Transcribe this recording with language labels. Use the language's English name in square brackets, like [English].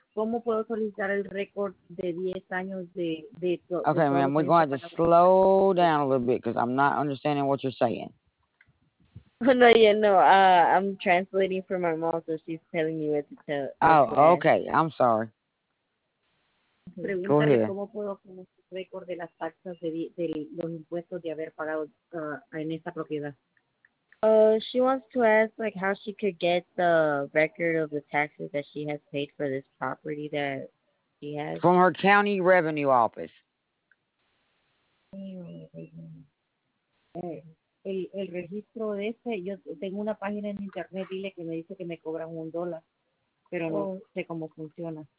[Spanish] ¿Cómo puedo solicitar el récord de 10 años de [English] Okay, ma'am, we're going to slow down a little bit because I'm not understanding what you're saying. No, yeah, no. I'm translating for my mom, so she's telling me what to tell. Oh, okay. I'm sorry. Go ahead. [Spanish] ¿Cómo puedo conseguir el récord de las taxas de los impuestos de haber pagado en esta propiedad? [English] She wants to ask, like, how she could get the record of the taxes that she has paid for this property that she has. From her county revenue office. [Spanish] El registro de este, yo tengo una página en internet, dile que me dice que me cobran $1, pero no sé cómo funciona.